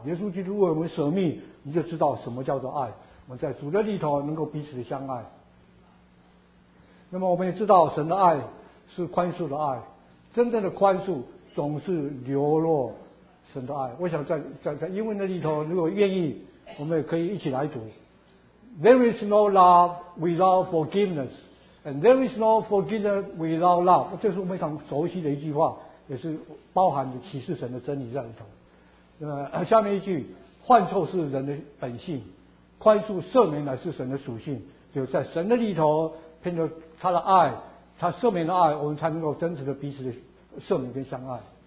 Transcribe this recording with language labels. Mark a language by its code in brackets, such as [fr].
[zh] 耶稣基督为我们舍命，我们就知道什么叫做爱。我们在主的里头能够彼此的相爱。那么我们也知道神的爱是宽恕的爱，真正的宽恕总是流露神的爱。我想在英文的里头，如果愿意，我们也可以一起来读。 [en] There is no love without forgiveness, and there is no forgiveness without love. [zh] 这是非常熟悉的一句话，也是包含着启示神的真理在里头。下面一句，犯错是人的本性，宽恕赦免乃是神的属性。就在神的里头，凭着他的爱，他赦免的爱，我们才能够真实的彼此的赦免跟相爱。